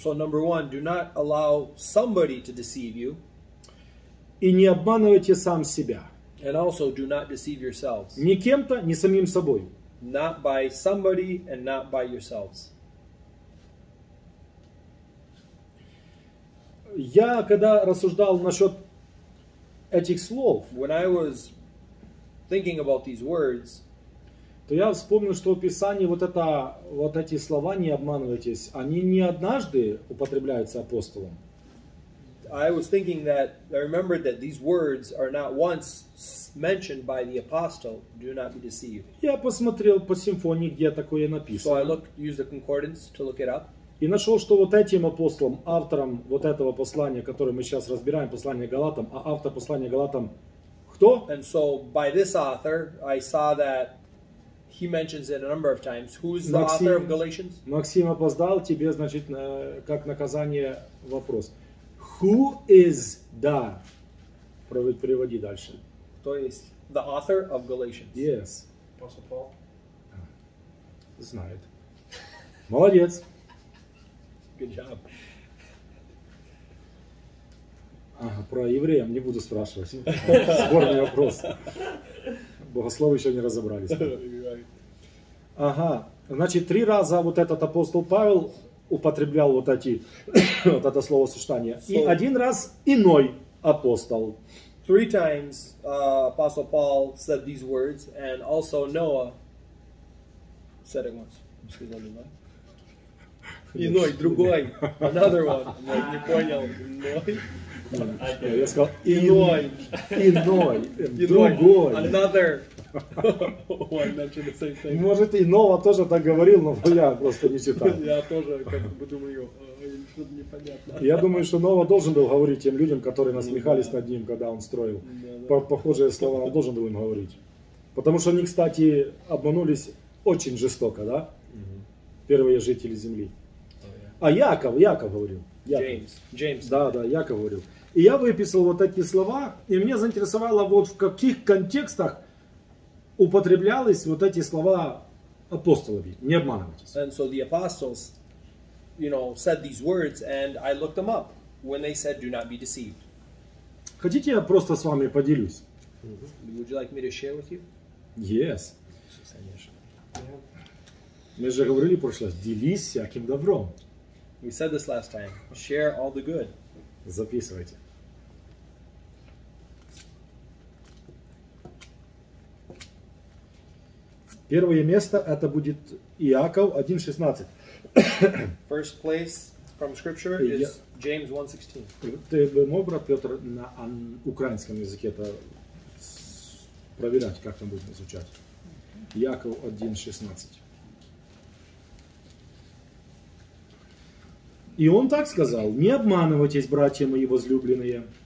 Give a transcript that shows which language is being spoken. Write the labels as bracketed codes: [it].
[en] So number one, do not allow somebody to deceive you. [ru] И не обманывайте сам себя. [en] And also do not deceive yourselves. [ru] Ни кем-то, ни самим собой. [en] Not by somebody and not by yourselves. [ru] Я когда рассуждал насчет этих слов, [en] when I was thinking about these words, [ru] то я вспомнил, что в Писании вот это, вот эти слова, не обманывайтесь, они не однажды употребляются апостолом. [en] I was thinking that I remembered that these words are not once mentioned by the apostle. Do not be deceived. [ru] Я посмотрел по симфонии, где такое написано. [en] So I looked, used the concordance to look it up. [ru] И нашел, что вот этим апостолом, автором вот этого послания, которое мы сейчас разбираем, послание Галатам, а автор послания Галатам кто? [en] And so by this author, I saw that he mentions it a number of times. Who is the author of Galatians? [ru] Максим опоздал, тебе, значит, как наказание вопрос. [en] Who is the? [ru] Приводи дальше. То есть [en] the author of Galatians. Yes. Apostle Paul. [ru] Знает. Молодец. [en] Good job. [ru] Ага, про евреям не буду спрашивать. Сборный вопрос. Богословы еще не разобрались. Ага. Значит, три раза вот этот апостол Павел употреблял вот эти вот это словосочетание. So, и один раз иной апостол. [en] Three times apostle Paul said these words, and also Noah said it once. Excuse me, Noah. [ru] Иной, другой, [en] another one. [ru] Не понял. Иной. Я сказал иной. Иной. Другой. [en] Another. [ru] Может, иного тоже так говорил, но я просто не читал. Я тоже как бы думаю, что-то непонятно. Я думаю, что Нова должен был говорить тем людям, которые насмехались над ним, когда он строил. Похожие слова он должен был им говорить. Потому что они, кстати, обманулись очень жестоко, да? Первые жители земли. А Яков говорил. Джеймс. Да, Яков говорил. И я выписал вот эти слова, и мне заинтересовало, вот в каких контекстах употреблялись вот эти слова апостолами, не обманывайтесь. [en] And so the apostles, you know, said these words, and I looked them up when they said, do not be deceived. [ru] Хотите, я просто с вами поделюсь? Mm-hmm. [en] Would you like me to share with you? Yes. Yeah. [ru] Мы же говорили в прошлый раз, делись всяким добром. [en] We said this last time, share all the good. [ru] Записывайте. Первое место это будет Иаков 1:16. [en] First place from scripture is James 1:16. [ru] Ты бы мог, брат Петр, на украинском языке это проверять, как там будет звучать. Иаков 1:16. И он так сказал: не обманывайтесь, братья мои возлюбленные.